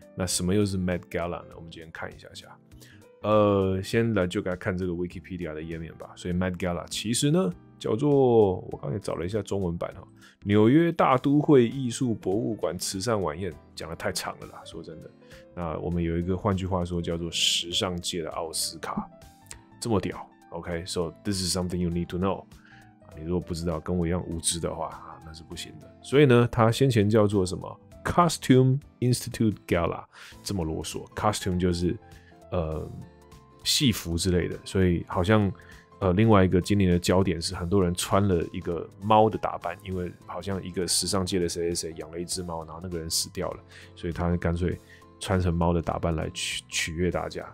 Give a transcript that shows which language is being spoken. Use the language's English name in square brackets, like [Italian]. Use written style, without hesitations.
[Chinese] 那什么又是 Met Gala 呢？我们今天看一下下。先来就该看这个 Wikipedia 的页面吧。所以 Met Gala 其实呢，叫做我刚才找了一下中文版哈，纽约大都会艺术博物馆慈善晚宴，讲得太长了啦，说真的。那我们有一个换句话说叫做时尚界的奥斯卡，这么屌。 [English] OK， so this is something you need to know。 [Chinese] 你如果不知道，跟我一样无知的话，那是不行的。所以呢，它先前叫做什么？ Costume Institute Gala， 这么啰嗦。 Costume 就是戏服之类的，所以好像另外一个今年的焦点是很多人穿了一个猫的打扮，因为好像一个时尚界的谁谁谁养了一只猫，然后那个人死掉了，所以他干脆穿成猫的打扮来取悦大家。